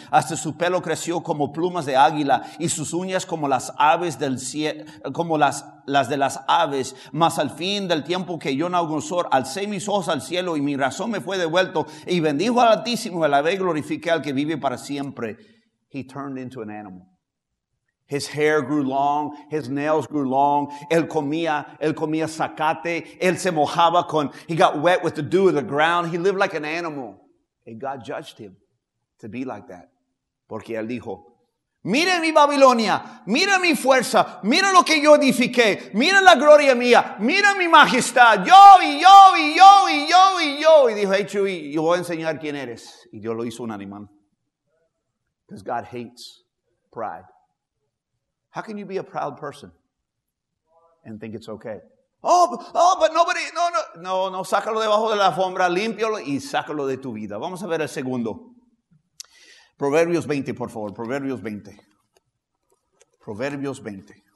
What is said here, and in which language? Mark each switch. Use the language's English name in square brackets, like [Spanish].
[Spanish] Hasta su pelo creció como plumas de águila, y sus uñas como las aves del cielo, como las de las aves. Mas al fin del tiempo que yo, Nabucodonosor, alcé mis ojos al cielo, y mi razón me fue devuelto, y bendijo al Altísimo, y alabé y glorifiqué al que vive para siempre. [English] He turned into an animal. His hair grew long, his nails grew long, [Spanish] él comía zacate, él se mojaba con, [English] he got wet with the dew of the ground, he lived like an animal. And God judged him to be like that, [Spanish] porque él dijo, mira mi Babilonia, mira mi fuerza, mira lo que yo edifiqué, mira la gloria mía, mira mi majestad, yo y yo y yo y yo y yo. Y dijo, hey Chuy, yo voy a enseñar quién eres. Y Dios lo hizo un animal. [English] Because God hates pride. How can you be a proud person and think it's okay? [Spanish] No, sácalo debajo de la alfombra, límpialo y sácalo de tu vida. Vamos a ver el segundo. Proverbios 20, por favor. Proverbios 20. Proverbios 20.